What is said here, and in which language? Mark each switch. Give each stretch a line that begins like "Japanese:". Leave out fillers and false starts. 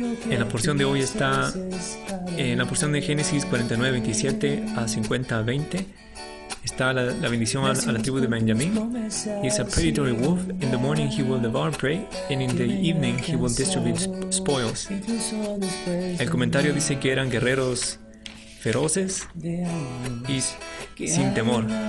Spanish: En la porción de hoy está en la porción de Génesis 49:27 a 50:20. Está la bendición a la tribu de Benjamín.
English: He's a predatory wolf. In the morning he will devour prey, and in the evening he will distribute spoils.
Spanish: El comentario dice que eran guerreros feroces y sin temor.